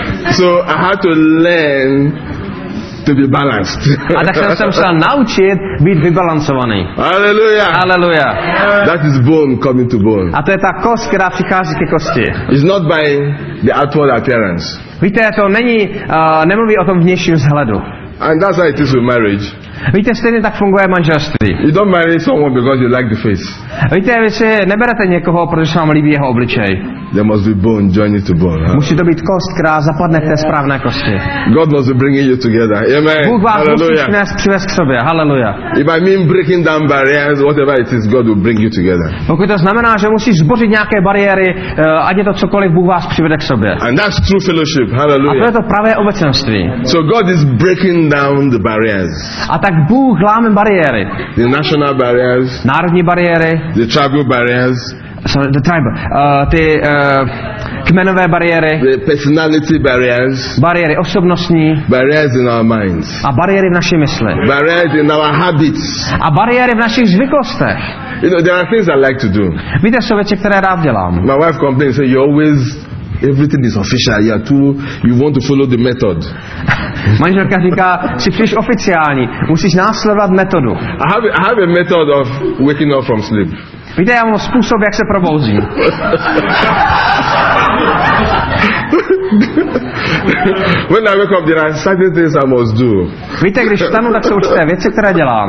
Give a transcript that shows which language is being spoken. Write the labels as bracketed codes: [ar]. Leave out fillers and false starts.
[en] So I had to learn to be balanced. [cs] A tak jsem se musel naučit být vybalancovaný. Hallelujah. Hallelujah. [en] That is bone coming to bone. [cs] A to je ta kost, která přichází ke kosti. [en] It's not by the outward appearance. [cs] Víte, to není, nemluví o tom vnějším vzhledu. [en] And that's how it is with marriage. [cs] Víte, stejně tak funguje manželství. [en] You don't marry someone because you like the face. [cs] Víte, vy si neberete někoho, protože se vám líbí jeho obličej. [en] There must be bone joining to bone. Huh? [cs] Musí to být kost, která zapadne v té správné kosti. [en] God must be bringing you together. Amen. [cs] Bůh vás musí dnes přivést k sobě. Hallelujah. [en] If I mean breaking down barriers, whatever it is, God will bring you together. [cs] Pokud to znamená, že musíš zbořit nějaké bariéry, ať je to cokoliv, Bůh vás přivede k sobě. [en] And that's true fellowship. Hallelujah. [cs] A to je to pravé obecenství. [en] So God is breaking down the barriers. [cs] A tak Bůh láme bariéry. [en] The national barriers. [cs] Národní bariéry. [en] The tribal barriers. So the tribe, [cs] ty kmenové bariéry, [en] the personality barriers, [cs] bariéry osobnostní, [en] barriers in our minds, [cs] a bariéry v naší mysli, [en] barriers in our habits, [cs] a bariéry v našich zvyklostech. [en] You know, there are things I like to do. [cs] Víte, jsou věci, které rád dělám. [en] My wife complains, say, you always, everything is official, you are too, you want to follow the method. [cs] Manželka říká, jsi příliš oficiální, musíš následovat metodu. [en] I have a method of waking up from sleep. [cs] Víte, já mám způsob, jak se probouzím. [en] When I wake up, there are certain things I must do. [cs] Víte, když vstanu, tak jsou určité věci, které dělám.